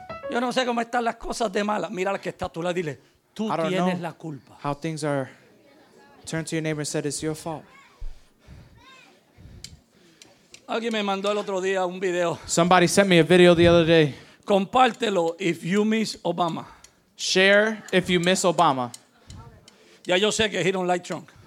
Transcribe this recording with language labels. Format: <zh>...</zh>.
<es>Yo no sé cómo están las cosas de mala. Mira la que está a tu lado, dile, tú tienes la culpa.</es> <en>How things are. Turn to your neighbor and said it's your fault.</en> <es>Alguien me mandó el otro día un video.</es> <en>Somebody sent me a video the other day.</en> <es>Compártelo</es> <en>if you miss Obama. Share if you miss Obama.</en> <es>Ya yo sé que</es> <en>he don't like Trump.</en>